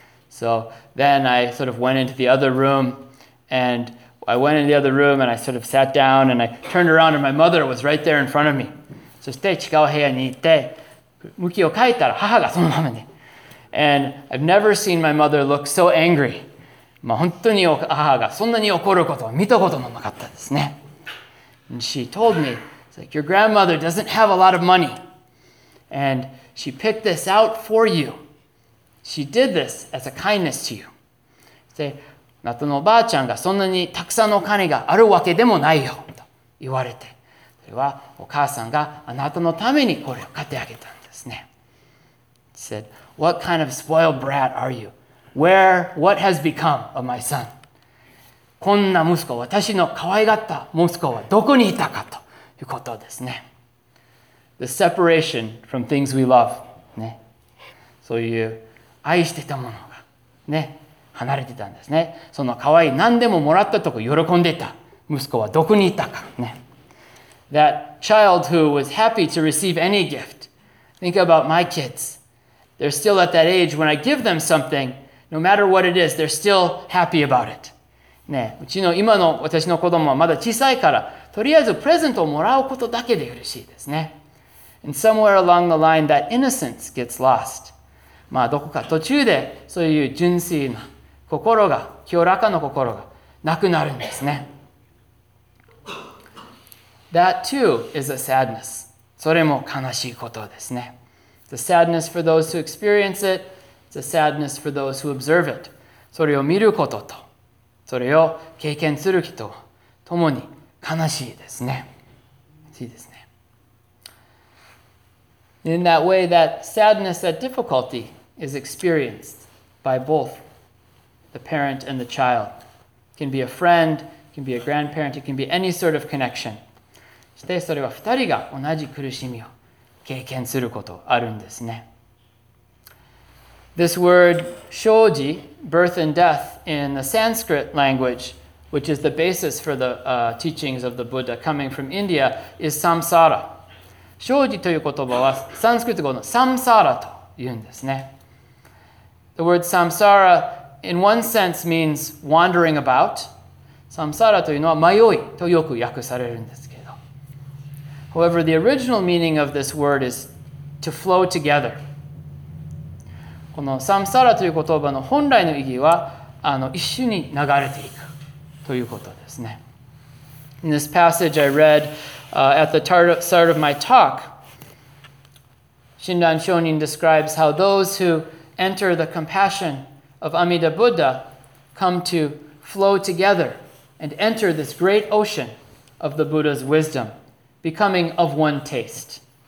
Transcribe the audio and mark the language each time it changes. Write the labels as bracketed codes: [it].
[en] So then I sort of went into the other room, and I went into the other room and I sort of sat down and I turned around and my mother was right there in front of me. [ja] そして違う部屋に行って、向きを変えたら母がそのままで。 [en] And I've never seen my mother look so angry. [ja] まあ、本当に母がそんなに怒ることは見たこともなかったですね。 [en] And she told me, it's like, your grandmother doesn't have a lot of money. And she picked this out for you. She did this as a kindness to you. [ja] あなたのおばあちゃんがそんなにたくさんのお金があるわけでもないよと言われて、それはお母さんがあなたのためにこれを買ってあげたんですね。 [en] She said, what kind of spoiled brat are you? What has become of my son? [ja] こんな息子、私の可愛がった息子はどこにいたかということですね。 [en] The separation from things we love.、 [ja] ね、そういう愛してたものが、ね、離れてたんですね。その可愛い何でももらったとこ喜んでた息子はどこにいたか、ね。 [en] That child who was happy to receive any gift. Think about my kids. They're still at that age when I give them something. No matter what it is, they're still happy about it. [ja] ね、うちの今の私の子供はまだ小さいから、とりあえずプレゼントをもらうことだけで嬉しいですね。 [en] And somewhere along the line, that innocence gets lost. [ja] まあどこか途中でそういう純粋な心が、清らかな心がなくなるんですね。 [en] That too is a sadness. [ja] それも悲しいことですね。 [en] The sadness for those who experience it,It's a sadness for those who observe it. [ja] それを見ることと、それを経験する人はともに悲しいですね。悲しいですね。 [en] In that way, that sadness, that difficulty is experienced by both the parent and the child. It can be a friend, it can be a grandparent, it can be any sort of connection. [ja] そしてそれは二人が同じ苦しみを経験することあるんですね。 [en] This word, 生死, birth and death, in the Sanskrit language, which is the basis for the teachings of the Buddha coming from India, is samsara. [ja] 生死という言葉は、サンスクリット語のサムサラと言うんですね。 [en] The word samsara, in one sense, means wandering about. [ja] Samsara というのは迷いとよく訳されるんですけど。 [en] However, the original meaning of this word is to flow together. [ja] このサムサラという言葉の本来の意義は一緒に流れていくということですね。 [en] In this passage I read at the start of my talk, 親鸞聖人 describes how those who enter the compassion of Amida Buddha come to flow together and enter this great ocean of the Buddha's wisdom, becoming of one taste.